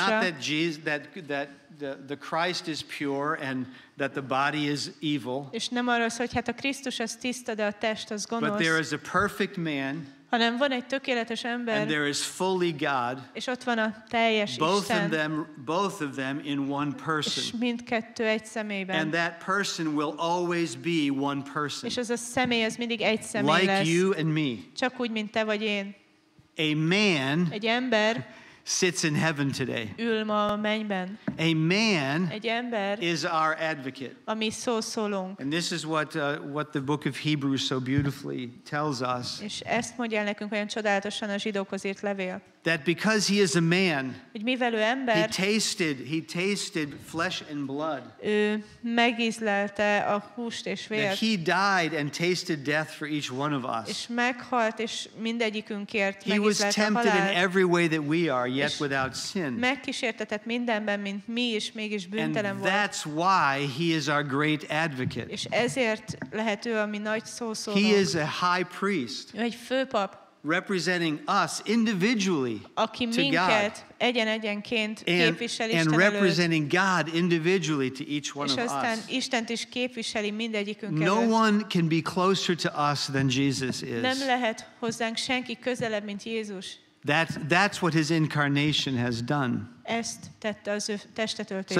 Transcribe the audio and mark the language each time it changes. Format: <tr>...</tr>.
<en>It's not that Jesus that the Christ is pure and that the body is evil.</en> <hu>És nem arról szól, hogy hát a Krisztus az tiszta, de a test az gonosz.</hu> <en>But there is a perfect man.</en> <hu>Hanem van egy tökéletes ember.</hu> <en>And there is fully God.</en> <hu>És ott van a teljes Isten.</hu> <en>Both of them in one person.</en> <hu>És mindkettő egy személyben.</hu> <en>And that person will always be one person.</en> <hu>És az a személy az mindig egy személy</hu> <en>like</en> <hu>lesz.</hu> <en>Like you and me.</en> <hu>Csak úgy, mint te vagy én.</hu> <en>A man.</en> <hu>Egy ember.</hu> <en>Sits in heaven today.</en> <hu>Ül ma a mennyben.</hu> <en>A man</en> <hu>egy ember</hu> <en>is our advocate.</en> <hu>A mi szószólónk.</hu> <en>And this is what the book of Hebrews so beautifully tells us.</en> <hu>És ezt mondja nekünk olyan csodálatosan a zsidókhoz írt levél.</hu> <en>That because he is a man,</en> <hu>hogy mivel ő ember,</hu> <en>he tasted flesh and blood.</en> <hu>Ő megízlelte a húst és vért.</hu> <en>He died and tasted death for each one of us.</en> <hu>És meghalt és mindegyikünkért megízlelte a halált.</hu> <en>He was tempted in every way that we are, yet without sin.</en> <hu>Megkísértetett mindenben, mint mi is, mégis bűntelen volt.</hu> <en>And that's why he is our great advocate.</en> <hu>És ezért lehet ő a mi nagy szószólónk.</hu> <en>He is a high priest.</en> <hu>Ő egy főpap.</hu> <en>Representing us individually</en> <hu>aki</hu> <en>to God,</en> <hu>egyen-egyenként képvisel Isten előtt,</hu> <en>representing God individually to each one of us.</en> <hu>És aztán Istent is képviseli mindegyikünk előtt.</hu> <en>No one can be closer to us than Jesus is.</en> <hu>Nem lehet hozzánk senki közelebb, mint Jézus.</hu> <en>That's what his incarnation has done.</en> <hu>Ezt tette az ő testetöltése.</hu>